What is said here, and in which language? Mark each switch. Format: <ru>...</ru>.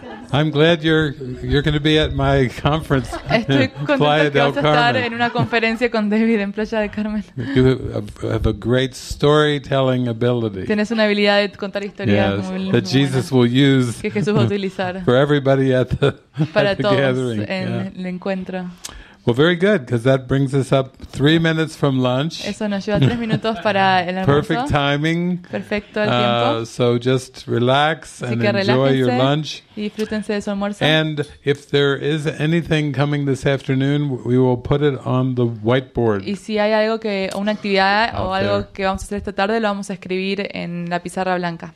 <en>I'm glad you're going to be at my conference.</en> <es>Estoy contenta de estar en una conferencia con David en Playa del Carmen.</es> <en>You have a great storytelling ability.</en> <es>Tienes una habilidad de contar historias muy buena.</es> <en>That Jesus will use.</en> <es>Que Jesús va a utilizar.</es> <en>For everybody at the</en> <es>para</es> <en>at the gathering.</en> <es>Para todos en el encuentro.</es> <en>Well, very good, because that brings us up 3 minutes from lunch.</en> <es>Eso nos lleva 3 minutos para el almuerzo.</es> <en>Perfect timing.</en> <es>Perfecto el tiempo.</es> <en>So just relax and enjoy your lunch.</en> <es>Y disfrútense de su almuerzo.</es> <en>And if there is anything coming this afternoon, we will put it on the whiteboard.</en> <es>Y si hay algo que una actividad o algo there. Que vamos a hacer esta tarde, lo vamos a escribir en la pizarra blanca.</es>